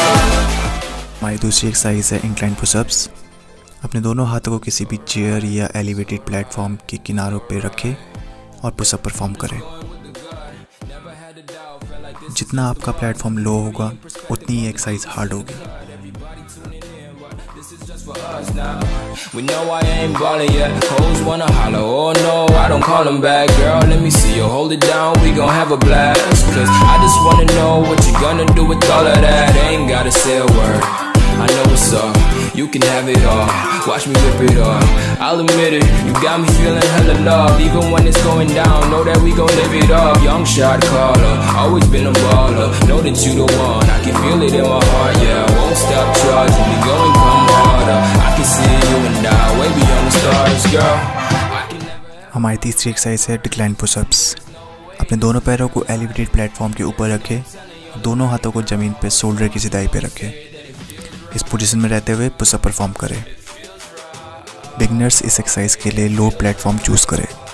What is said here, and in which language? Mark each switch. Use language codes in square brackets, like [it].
[hi] दूसरी एक्सरसाइज है incline pushups. अपने दोनों हाथों को किसी भी चेयर या एलिवेटेड प्लेटफॉर्म के किनारों पर रखें और पुशअप परफॉर्म करें। जितना आपका प्लेटफॉर्म लो होगा उतनी ही एक्सरसाइज हार्ड होगी। [en] We know I ain't ballin' yet. Hoes wanna holler, oh no, I don't call them back. Girl, let me see you hold it down, we gon' have a blast. Cause I just wanna know what you gonna do with all of that. Ain't gotta say a word, I know what's up. You can have it all, watch me rip it off. I'll admit it, you got me feeling hella loved. Even when it's going down, know that we gon' live it up. Young shot caller, always been a baller. Know that you the one, I can feel it in my heart. Yeah, I won't stop charging, we gon' come harder. I can see you and I, way beyond the stars, girl. [hi] हमारी तीसरी exercise है decline pushups. अपने दोनों पैरों को elevated platform के ऊपर रखें, दोनों हाथों को जमीन पे शोल्डर की सिधाई पे रखें। इस पोजीशन में रहते हुए पुशअप परफॉर्म करें। बिगनर्स इस एक्सरसाइज के लिए लो प्लेटफॉर्म चूज करें।